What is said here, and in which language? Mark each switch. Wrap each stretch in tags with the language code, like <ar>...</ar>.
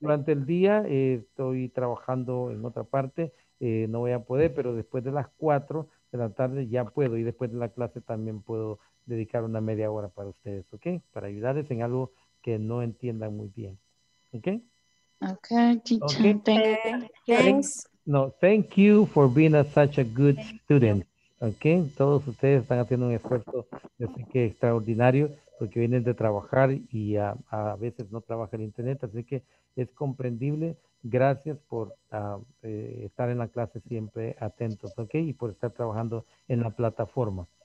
<es>Durante el día estoy trabajando en otra parte, no voy a poder, pero después de las 4 de la tarde ya puedo, y después de la clase también puedo dedicar una media hora para ustedes, ¿ok? Para ayudarles en algo que no entiendan muy bien, ¿ok?</es> <en>Okay, teacher. Okay. Thank you. No, thank you for being such a good student.</en> <es>Okay, todos ustedes están haciendo un esfuerzo, así que extraordinario, porque vienen de trabajar y a veces no trabaja el internet, así que es comprendible. Gracias por estar en la clase siempre atentos, okay, y por estar trabajando en la plataforma.</es>